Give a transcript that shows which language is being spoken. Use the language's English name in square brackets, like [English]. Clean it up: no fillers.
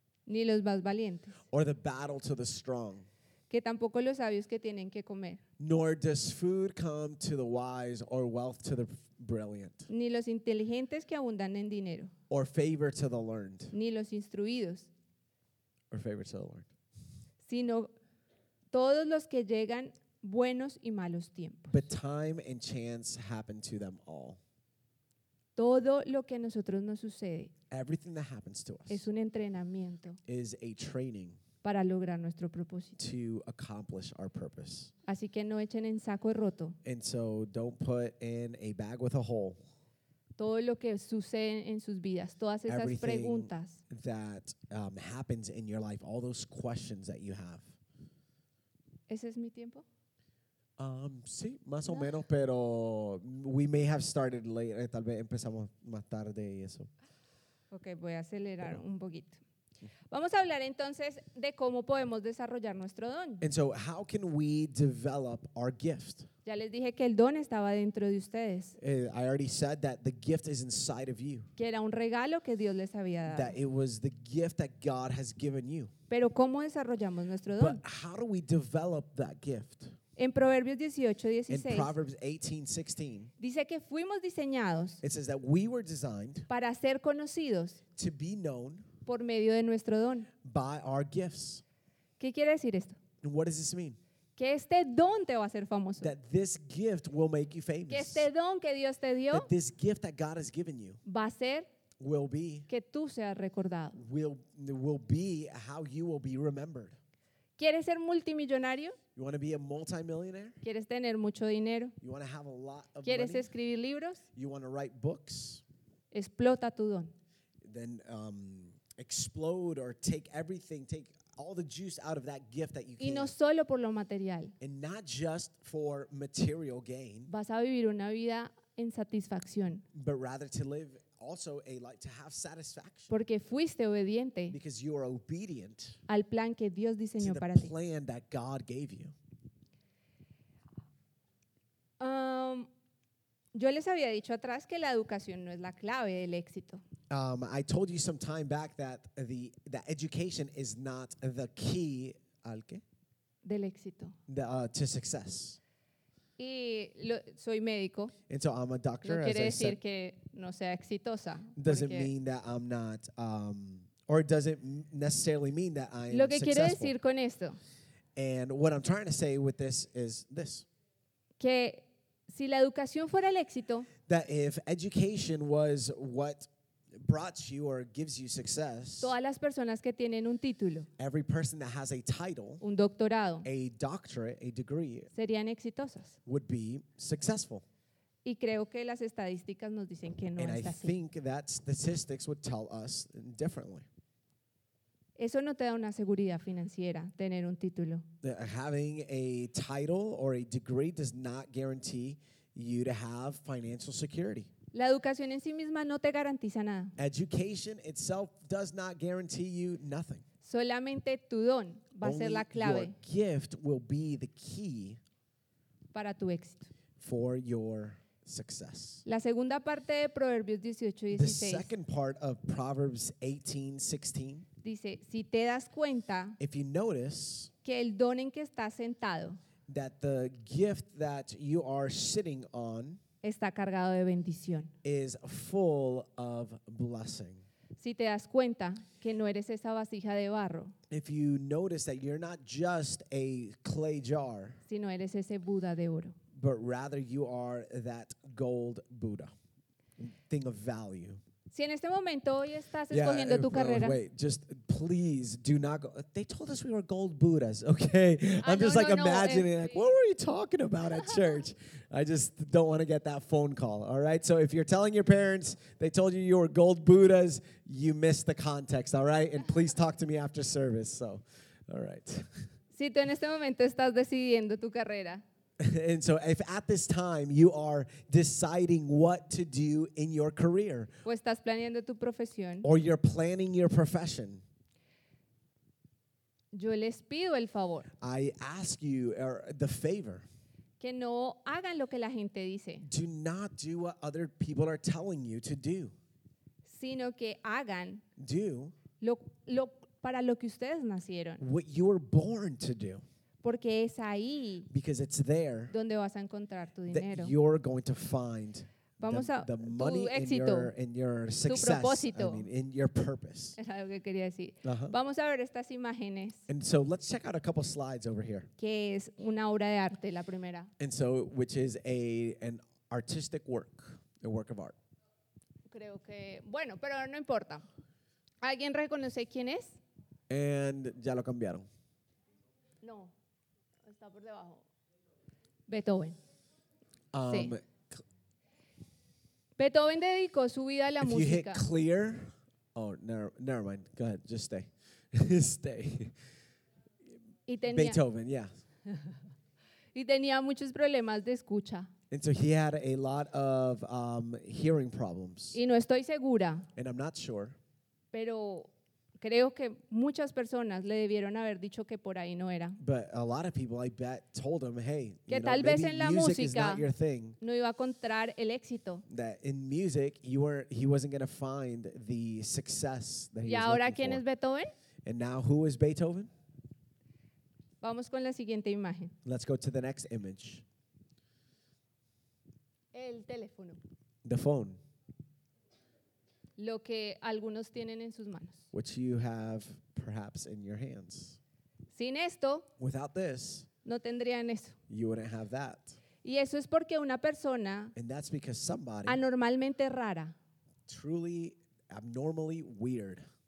[Spanish] Ni los más valientes. [English] Or the battle to the strong. [Spanish] Que tampoco los sabios que tienen que comer. [English] Nor does food come to the wise or wealth to the brilliant. [Spanish] Ni los inteligentes que abundan en dinero. [English] Or favor to the learned. [Spanish] Ni los instruidos. [English] Or favorites of the Lord. [Spanish] Sino todos los que llegan buenos y malos tiempos. [English] But time and chance happen to them all. [Spanish] Todo lo que a nosotros nos sucede, [English] everything that happens to us, [Spanish] es un entrenamiento, [English] is a training, [Spanish] para lograr nuestro propósito, [English] to accomplish our purpose. [Spanish] Así que no echen en saco roto. [English] And so don't put in a bag with a hole. [Spanish] Todo lo que sucede en sus vidas, todas esas [English] everything [Spanish] preguntas. [English] That happens in your life, all those questions that you have. [Spanish] ¿Ese es mi tiempo? Sí, más no. O menos, pero [English] we may have started late, [Spanish] tal vez empezamos más tarde y eso. Okay, voy a acelerar pero un poquito. Vamos a hablar entonces de cómo podemos desarrollar nuestro don. [English] And so how can we develop our gift? [Spanish] Ya les dije que el don estaba dentro de ustedes. [English] I already said that the gift is inside of you. [Spanish] Que era un regalo que Dios les había dado. [English] That it was the gift that God has given you. [Spanish] Pero ¿cómo desarrollamos nuestro don? [English] But how do we develop that gift? [Spanish] En Proverbios 18:16. [English] In Proverbs 18:16. [Spanish] Dice que fuimos diseñados. [English] It says that we were designed. [Spanish] Para ser conocidos. [English] To be known. [Spanish] Por medio de nuestro don. [English] By our gifts. [Spanish] ¿Qué quiere decir esto? [English] And what does this mean? [Spanish] Que este don te va a hacer famoso. [English] That this gift will make you famous. [Spanish] Que este don que Dios te dio, [English] that this gift that God has given you, [Spanish] va a ser, [English] will be, [Spanish] que tú seas recordado. [English] Will be how you will be remembered. [Spanish] ¿Quieres ser multimillonario? [English] You want to be a multimillionaire? [Spanish] ¿Quieres tener mucho dinero? [English] You want to have a lot of money? [Spanish] ¿Quieres escribir libros? [English] You want to write books? [Spanish] Explota tu don. [English] Then explode or take everything, take all the juice out of that gift that you can. [Spanish] Y no solo por lo material. [English] And not just for material gain. [Spanish] Vas a vivir una vida en satisfacción. [English] But rather to live also a life to have satisfaction. [Spanish] Porque fuiste obediente. [English] Because you are obedient. [Spanish] Al plan que Dios diseñó para ti. [English] To the plan that God gave you. [Spanish] Yo les había dicho atrás que la educación no es la clave del éxito. [English] I told you some time back that the education is not the key [Spanish] al qué? Del éxito. [English] To success. [Spanish] Y soy médico. [English] And so I'm a doctor. [Spanish] No quiere [English] as [Spanish] decir [English] I said, [Spanish] que no sea exitosa. [English] Doesn't mean that I'm not, or doesn't necessarily mean that I'm successful. [Spanish] Lo que quiere decir con esto. [English] And what I'm trying to say with this is this. [Spanish] Que si la educación fuera el éxito. [English] That if education was what brought you or gives you success. [Spanish] Todas las personas que tienen un título. [English] Every person that has a title. [Spanish] Un doctorado. [English] A doctorate, a degree. [Spanish] Serían exitosas. [English] Would be successful. [Spanish] Y creo que las estadísticas nos dicen que no es así. [English] And I think that statistics would tell us differently. [Spanish] Eso no te da una seguridad financiera, tener un título. [English] Having a title or a degree does not guarantee you to have financial security. [Spanish] La educación en sí misma no te garantiza nada. [English] Education itself does not guarantee you nothing. [Spanish] Solamente tu don va a ser la clave. [English] Only your gift will be the key [Spanish] para tu éxito. [English] For your success. [Spanish] La segunda parte de Proverbios 18:16. [English] The second part of Proverbs 18:16. [Spanish] Dice, si te das cuenta, [English] if you notice, [Spanish] que el don en que estás sentado, [English] that the gift that you are sitting on, [Spanish] está cargado de bendición. [English] Is full of blessing. [Spanish] Si te das cuenta que no eres esa vasija de barro. [English] If you notice that you're not just a clay jar. [Spanish] Sino eres ese Buda de oro. [English] But rather you are that gold Buddha. Thing of value. [Spanish] Si en este momento hoy estás escogiendo tu carrera. [English] Wait, just please do not go. They told us we were gold Buddhas, okay? I'm just like imagining, like, what were you talking about at church? I just don't want to get that phone call, all right? So if you're telling your parents they told you you were gold Buddhas, you missed the context, all right? And please talk to me after service, so, all right. [Spanish] Si tú en este momento estás decidiendo tu carrera. [English] And so if at this time you are deciding what to do in your career, [Spanish] o estás planeando tu profesión, [English] or you're planning your profession, [Spanish] yo les pido el favor, [English] I ask you the favor, [Spanish] que no hagan lo que la gente dice, [English] do not do what other people are telling you to do, [Spanish] sino que hagan, [English] do [Spanish] lo para lo que ustedes nacieron, [English] what you were born to do. [Spanish] Porque es ahí, [English] because it's there, [Spanish] donde vas a encontrar tu dinero. [English] That you're going to find the money, [Spanish] tu éxito, [English] in your success, [Spanish] tu propósito. [English] I mean, in your purpose. [Spanish] Es algo que quería decir. Uh-huh. Vamos a ver estas imágenes. [English] And so let's check out a couple slides over here. [Spanish] Que es una obra de arte, la primera. [English] And so, which is an artistic work, a work of art. [Spanish] Creo que, bueno, pero no importa. ¿Alguien reconoce quién es? [English] And [Spanish] ya lo cambiaron. No. Beethoven. Beethoven dedicó su vida a la música. [English] If you hit clear, oh, never mind. Go ahead, just stay. Stay. Beethoven, yeah. [Spanish] Y tenía muchos problemas de escucha. [English] And so he had a lot of hearing problems. [Spanish] Y no estoy segura. [English] And I'm not sure. [Spanish] Pero creo que muchas personas le debieron haber dicho que por ahí no era. [English] But a lot of people, I bet, told him, hey, [Spanish] que [English] you [Spanish] tal [English] know, [Spanish] vez [English] maybe [Spanish] en la [English] music [Spanish] no iba a encontrar el éxito. [English] That in music, he wasn't going to find the success that he was for. [Spanish] ¿Y ahora quién es Beethoven? [English] And now, who is Beethoven? [Spanish] Vamos con la siguiente imagen. [English] Let's go to the next image. [Spanish] El teléfono. [English] The phone. [Spanish] Lo que algunos tienen en sus manos. [English] Which you have perhaps in your hands. [Spanish] Sin esto, [English] without this, [Spanish] No tendrían eso. [English] You wouldn't have that. [Spanish] Y eso es porque una persona anormalmente rara, [English] truly abnormally weird,